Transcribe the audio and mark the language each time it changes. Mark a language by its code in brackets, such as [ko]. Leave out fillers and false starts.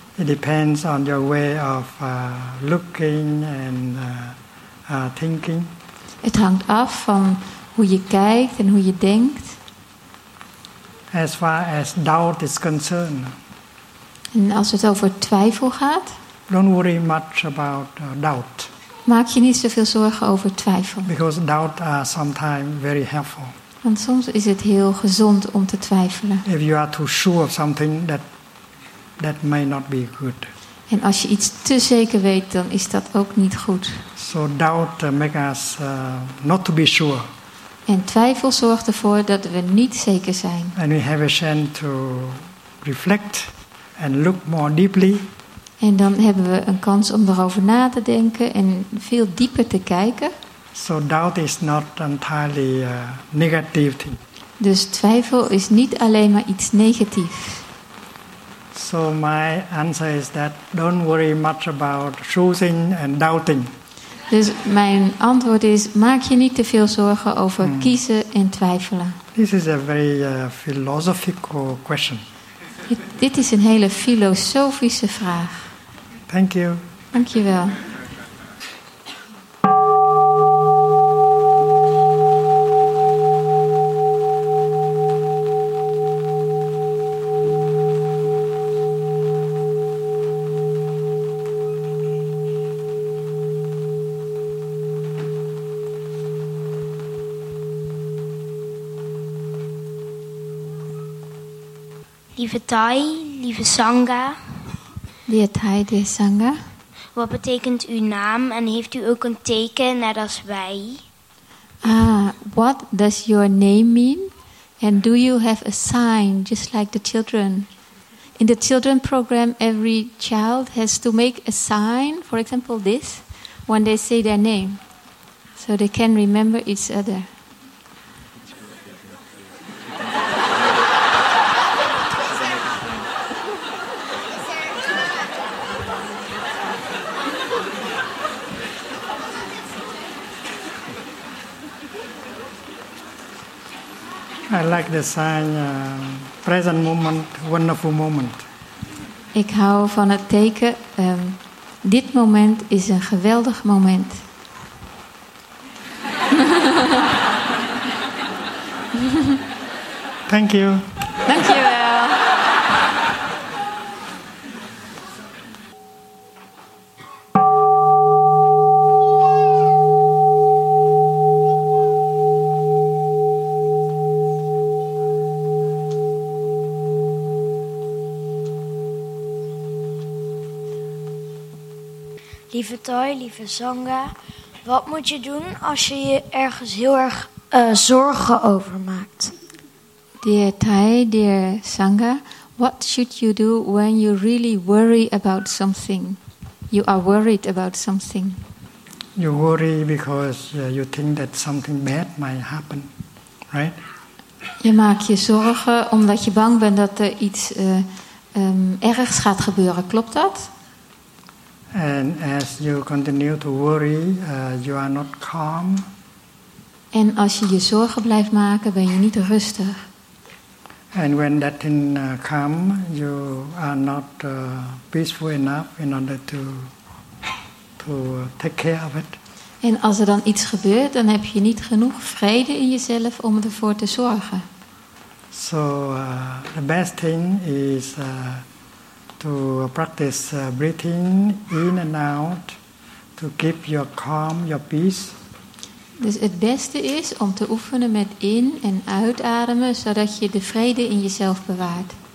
[en] It depends on your way of looking and thinking. [nl] Het hangt af van hoe je kijkt en hoe je denkt. [en] As far as doubt is concerned. [nl] En als het over twijfel gaat. [en] Don't worry much about doubt. [nl] Maak je niet zoveel zorgen over twijfel. [en] Because doubt are sometimes very helpful. [nl] Want soms is het heel gezond om te twijfelen. [en] If you are too sure of something, that may not be good. [nl] En als je iets te zeker weet, dan is dat ook niet goed. [en] So doubt makes us not to be sure. [nl] En twijfel zorgt ervoor dat we niet zeker zijn. [en] And we have a chance to reflect and look more deeply. [nl] En dan hebben we een kans om erover na te denken en veel dieper te kijken. [en] So doubt is not entirely a negative thing. [nl] Dus twijfel is niet alleen maar iets negatiefs. [en] So my answer is that don't worry much about choosing and doubting. [nl] Dus mijn antwoord is, maak je niet te veel zorgen over kiezen en twijfelen. [en] This is a very philosophical question. [nl] Dit is een hele filosofische vraag. [en] Thank you. [nl] Dank je wel. Lieve Tai, lieve Sangha. Lieve Tai, lieve Sangha. Wat betekent uw naam en heeft u ook een teken net als wij? [en] Ah, what does your name mean? And do you have a sign just like the children? In the children program, every child has to make a sign, for example this, when they say their name, so they can remember each other. I like the sign, present moment, wonderful moment. [nl] Ik hou van het teken, dit moment is een geweldig moment. [en] Thank you. [nl] Dank je wel. Lieve Toy, lieve Sangha, wat moet je doen als je je ergens heel erg zorgen over maakt? [en] Dear Thai, dear Sangha, what should you do when you really worry about something? You are worried about something. You worry because you think that something bad might happen, right? [nl] Je maakt je zorgen omdat je bang bent dat er iets ergs gaat gebeuren. Klopt dat? [en] And as you continue to worry, you are not calm. [nl] En als je je zorgen blijft maken, ben je niet rustig. [en] And when that thing comes, you are not peaceful enough in order to take care of it. [nl] En als er dan iets gebeurt, dan heb je niet genoeg vrede in jezelf om ervoor te zorgen. [en] So the best thing is to practice breathing in and out to keep your calm, your peace. [nl] Dus het beste is om te oefenen met in- en uitademen, zodat je de vrede in jezelf bewaart.